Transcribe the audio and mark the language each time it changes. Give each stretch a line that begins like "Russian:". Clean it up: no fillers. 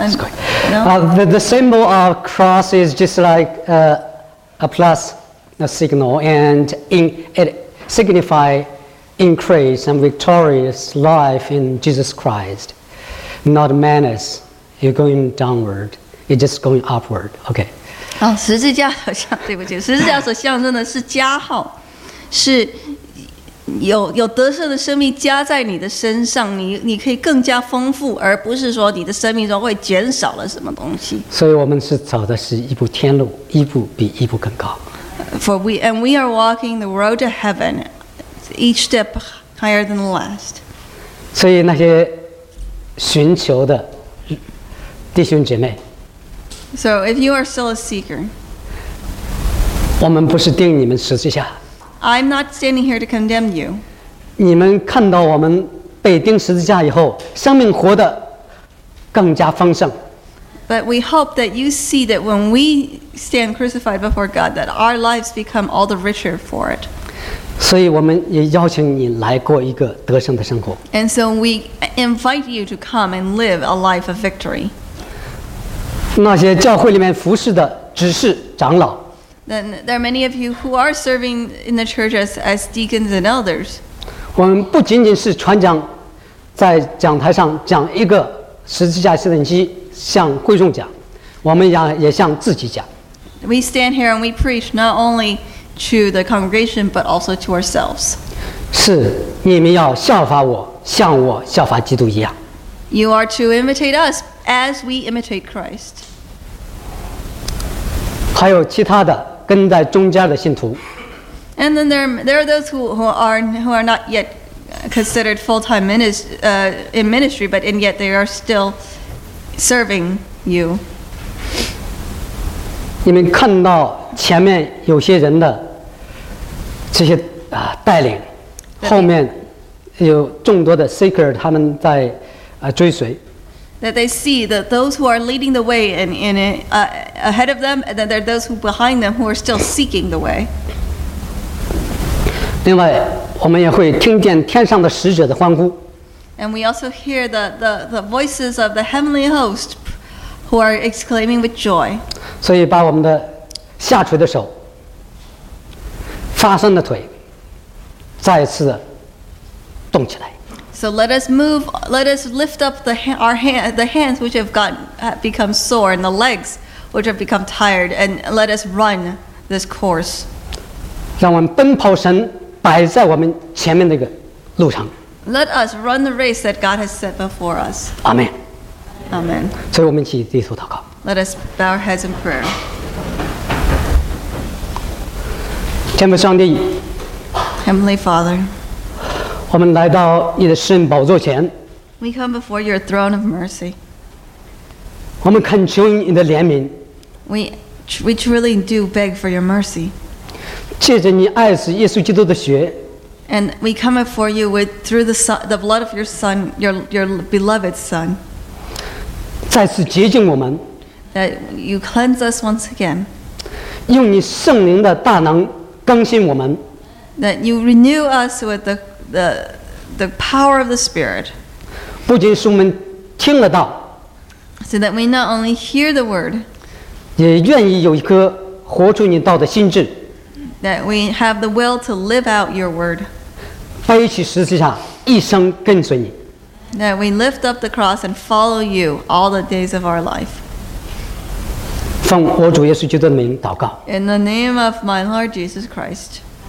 English: The symbol of cross is just like a plus. A signal and it signify increase and victorious life in Jesus Christ, not menace. You're going downward. You're just going upward. Okay.
Chinese: 哦，十字架所象，对不起，十字架所象征的是加号，是有得胜的生命加在你的身上，你可以更加丰富，而不是说你的生命中会减少了什么东西。所以我们是走的是一步天路，一步比一步更高。
English: We are walking the road to heaven, each step higher than the last.
Chinese: 所以那些寻求的弟兄姐妹。
English: So if you are still a seeker,
Chinese: 我们不是钉你们十字架。
English: I'm not standing here to condemn you.
Chinese: 你们看到我们被钉十字架以后，生命活得更加丰盛。
English: But we hope that you see that when we stand crucified before God, that our lives become all the richer for it.
Chinese: 所以我们也邀请你来过一个得胜的生活。
English: And so we invite you to come and live a life of victory.
Chinese: 那些教会里面服侍的执事长老。
English: Then there are many of you who are serving in the church as deacons and elders.
Chinese: 我们不仅仅是传讲，在讲台上讲一个十字架圣经。向贵众讲，我们也向自己讲。
English: We stand here and we preach not only to the congregation but also to ourselves.
Chinese: 是，你们要效法我，像我效法基督一样。
English: You are to imitate us as we imitate Christ.
Chinese: 还有其他的跟在中间的信徒。
English: And then there are those who are not yet considered full-time in ministry, but and yet they are still. Serving you.
Chinese: 你们看到前面有些人的这些带领，后面有众多的 seeker 他们在追随。
English: That they see that those who are leading the way and in ahead of them, and then there are those who behind them who are still seeking the way.
Chinese: 另外，我们也会听见天上的使者的欢呼。
English: And we also hear the voices of the heavenly host who are exclaiming with joy.
Chinese: 所以把我们的下垂的手发酸的腿再次动起来。
English: So let us lift up the hands which have become sore and the legs which have become tired and let us run this course.
Chinese: 让我们奔跑神摆在我们前面那个路上。
English: Let us run the race that God has set before us. Amen. Amen.
Chinese: 所以我们一起低头祷告。
English: Let us bow our heads in prayer.
Chinese: 天父上帝。
English: Heavenly Father.
Chinese: 我们来到你的施恩宝座前。
English: We come before your throne of mercy.
Chinese: 我们恳求你的怜悯。
English: We truly do beg for your mercy.
Chinese: 借着你爱子耶稣基督的血。
English: And we come before you with through the blood of your son, your beloved son.
Chinese: 再次洁净我们。
English: That you cleanse us once again.
Chinese: 用你圣灵的大能更新我们。
English: That you renew us with the power of the Spirit.
Chinese: 不仅是我们听了道。
English: so that we not only hear the word,
Chinese: 也愿意有一颗活出你道的心智,
English: that we have the will to live out your word,
Chinese: 背起十字架, 一生跟随你,
English: that we lift up the cross and follow you all the days of our life.
Chinese: 奉我主耶稣基督的名祷告,
English: in the name of my Lord Jesus Christ.